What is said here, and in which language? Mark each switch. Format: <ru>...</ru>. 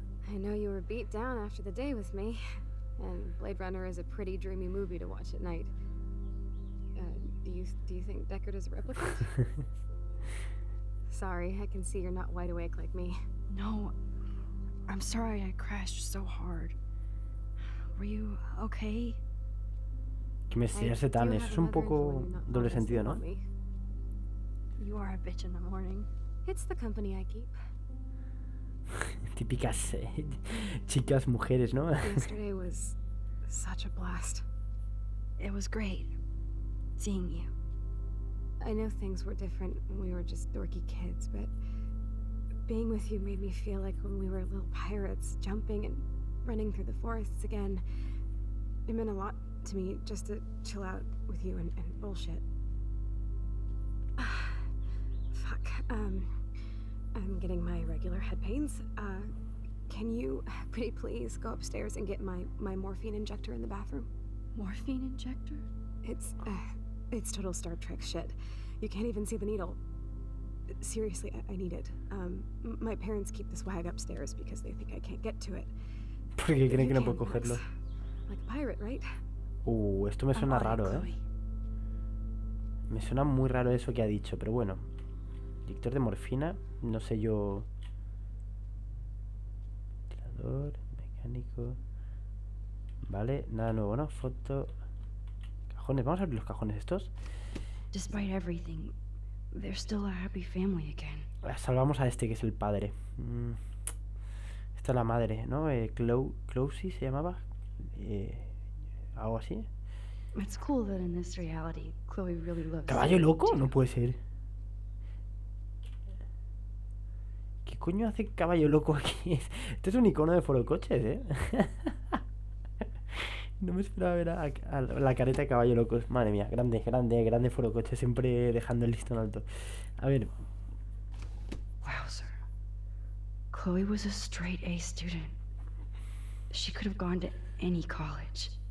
<en>I know you were beat down after the day with me. And Blade Runner is a pretty dreamy movie to watch at night. Do you think Deckard is a replicant? Sorry, I can see you're not wide awake like me. No, I'm sorry I crashed so hard. Were you okay?</en> <es>Que me estirase tan, eso es un poco doble sentido, ¿no?</es> <en>You are a bitch in the morning. It's the company I keep.</en> <es>Típicas chicas, mujeres, ¿no?</es> <en>Yesterday was such a blast. It was great seeing you. I know things were different when we were just dorky kids, but being with you made me feel like when we were little pirates, jumping and running through the forests again. It meant a lot to me just to chill out with you and bullshit. I'm getting my regular head pains. Can you pretty please go upstairs and get my morphine injector in the bathroom? Morphine injector? It's total Star Trek shit. You can't even see the needle. Seriously, I need it. My parents keep this wag upstairs because they think I can't get to it.</en> <es>Porque creen que no puedo cogerlo.</es> <en>Like a pirate, right?</en> <es>Esto me suena raro, ¿eh? Me suena muy raro eso que ha dicho, pero bueno. Inyector de morfina, no sé yo. Tirador, mecánico. Vale, nada nuevo, ¿no? Foto. Cajones, vamos a abrir los cajones estos.</es> <en>Despite everything, they're still a happy family again.</en> <es>Salvamos a este que es el padre. Esta es la madre, ¿no? Chloe se llamaba. Algo así.</es> <en>It's cool that in this reality, Chloe really loves.</en> <es>¿Caballo loco? No puede ser. ¿Qué coño hace caballo loco aquí? Este es un icono de forocoches, ¿eh? No me esperaba ver a la careta de caballo loco. Madre mía, grande forocoche, siempre dejando el listón alto. A ver.</es> <en>Wow, sir. Chloe was a straight A student. She could have gone to any college.</en>